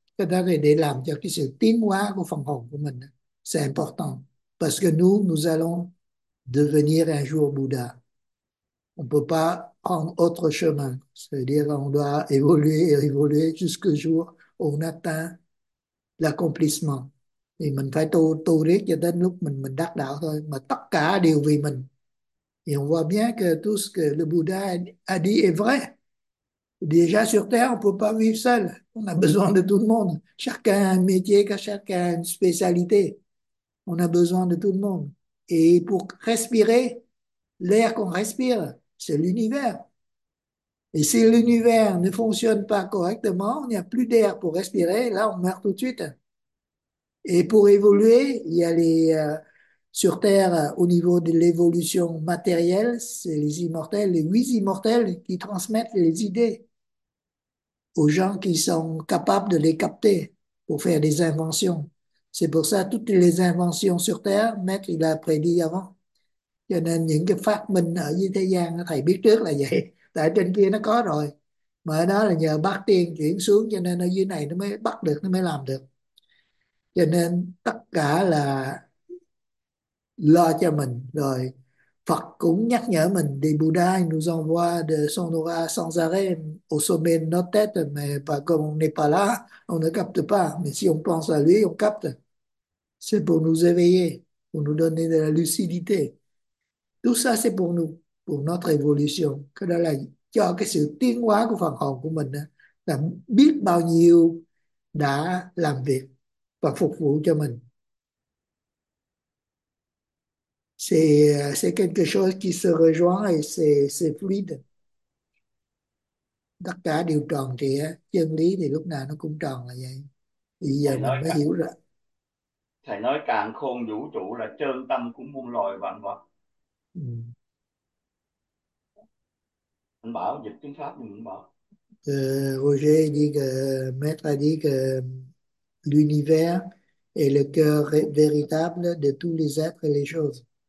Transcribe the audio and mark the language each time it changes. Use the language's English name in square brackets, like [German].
[French] C'est important. Parce que nous allons devenir un jour Bouddha. On ne peut pas prendre autre chemin. C'est-à-dire, on doit évoluer et évoluer jusqu'au jour où on atteint l'accomplissement. [Vietnamese] Thì mình phải tu tu riết cho đến lúc mình đắc đạo thôi, mà tất cả đều vì mình. [French] Et on voit bien que tout ce que le Bouddha a dit est vrai. Déjà sur Terre, on ne peut pas vivre seul. On a besoin de tout le monde. Chacun a un métier, chacun a une spécialité. On a besoin de tout le monde. Et pour respirer, l'air qu'on respire, c'est l'univers. Et si l'univers ne fonctionne pas correctement, il n'y a plus d'air pour respirer, là on meurt tout de suite. Et pour évoluer, il y a sur Terre, au niveau de l'évolution matérielle, c'est les immortels, les huit immortels qui transmettent les idées aux gens qui sont capables de les capter pour faire des inventions. C'est pour ça que toutes les inventions sur Terre, Maître, il a prédit avant. [Vietnamese] Cho nên những cái phát minh ở dưới thế gian, thầy biết trước là vậy. Tại trên kia nó có rồi. Mà đó là nhờ bát tiên chuyển xuống, cho nên ở dưới này nó mới bắt được, nó mới làm được. Cho nên tất cả là lo cho mình. Rồi Phật cũng nhắc nhở mình, đi [French] Buddha nous envoie de son aura sans arrêt au sommet de notre tête, mais pas comme on n'est pas là, on ne capte pas. Mais si on pense à lui, on capte. C'est pour nous éveiller, pour nous donner de la lucidité. Tout ça, c'est pour nous, pour notre évolution. [Vietnamese] Cái đó là cho cái sự tiến hóa của phần hồn của mình, là biết bao nhiêu đã làm việc và phục vụ cho mình. [French] C'est quelque chose qui se rejoint et c'est fluide. [Vietnamese] Tất cả đều tròn trịa, chân lý thì lúc nào nó cũng tròn là vậy. Bây giờ mình mới hiểu rồi. Thầy nói càn khôn vũ trụ là trơn tâm của muôn loài vạn vật. Anh bảo dịch tiếng Pháp mình cũng bảo. [French] Roger dit que Maître a dit que l'univers est le cœur véritable de tous les êtres et les choses.